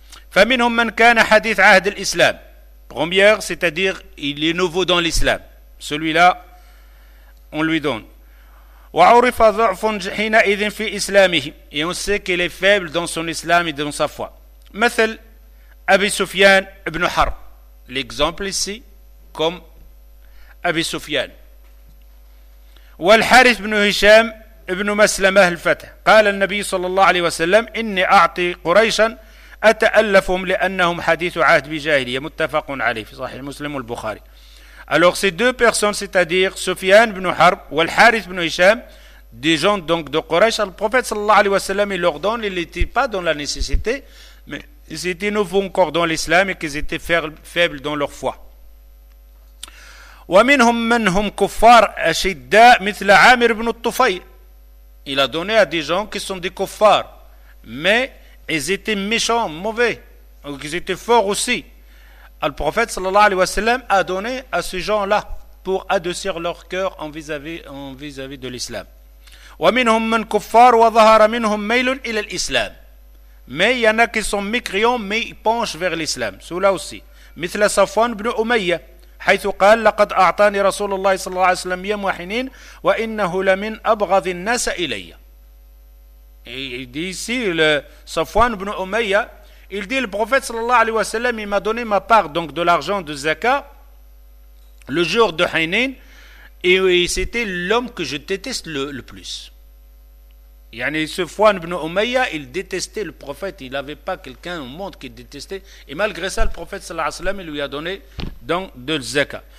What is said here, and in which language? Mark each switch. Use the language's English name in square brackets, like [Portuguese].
[Arabic] فمنهم من كان حديث عهد الإسلام. [French] Première, c'est-à-dire il est nouveau dans l'islam. Celui-là, on lui donne. [Arabic] وعرف ضعف حينئذ في إسلامه. [French] Et on sait qu'il est faible dans son islam et dans sa foi. [Arabic] مثل أبي سفيان ابن حرب. [French] L'exemple ici, comme أبي سفيان. [Arabic] والحارث بن هشام ابن مسلمة الفتح. قال النبي صلى الله عليه وسلم إني أعطي قريشا أتألفهم لأنهم حديث عهد بجاهلية متفق عليه في صحيح مسلم والبخاري. [French] Alors ces deux personnes, c'est-à-dire Sufyan ibn Harb et Al-Harith ibn Hisham, des gens donc de Quraysh, le prophète sallallahu alayhi wa sallam il leur donne, ils n'étaient pas dans la nécessité, mais ils étaient nouveaux encore dans l'islam et qu'ils étaient faibles dans leur foi. [Arabic] ومنهم منهم كفار أشداء مثل عامر بن الطفيل. [French] Il a donné à des gens qui sont des kuffars, mais ils étaient méchants, mauvais, ou qu'ils étaient forts aussi. Le prophète sallallahu alayhi wa sallam a donné à ces gens-là pour adoucir leur cœur en vis-à-vis de l'islam. [Arabic] وَمِنْهُمْ مَنْ كُفَّارُ وَظَهَرَ مِنْهُمْ مَيْلٌ إِلَى الْإِسْلَامِ. [French] Mais il y en a qui sont mécréants, mais ils penchent vers l'islam. Ceux-là aussi. [Arabic] مثل صفوان بن أمية حيث قال لقد أعطاني رسول الله صلى الله عليه وسلم يوم حنين وإنه لمن أبغض الناس إليه. [French] Il dit ici, le Safwan ibn Umayya, il dit, le prophète sallallahu alayhi wa sallam, il m'a donné ma part donc de l'argent de zakat le jour de Hainin, et c'était l'homme que je déteste le plus. Yani, Safwan ibn Umayya, il détestait le prophète, il n'avait pas quelqu'un au monde qu'il détestait, et malgré ça, le prophète sallallahu alayhi wa sallam, il lui a donné donc de zakat.